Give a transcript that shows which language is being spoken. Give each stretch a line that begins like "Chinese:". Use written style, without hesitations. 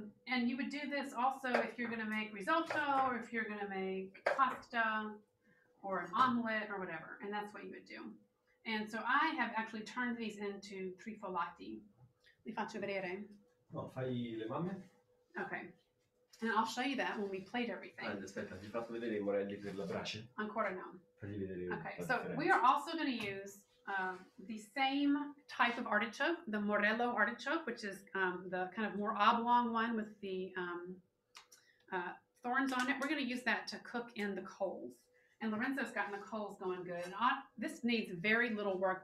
English: And you would do this also if you're going to make risotto or if you're going to make pasta or an omelet or whatever. And that's what you would do. And so I have actually turned these into triffolati.
Italian: Li faccio vedere. No, fai le mamme. Okay.
English: And I'll show you that when we plate everything.
Italian: Aspetta, ti faccio vedere i morelli per la brace. Ancora no. Fagli vedere.
English: Okay, so we are also going to use the same type of artichoke, the morello artichoke, which is the kind of more oblong one with the thorns on it. We're going to use that to cook in the coals. And Lorenzo's gotten the coals going good. This needs very little work.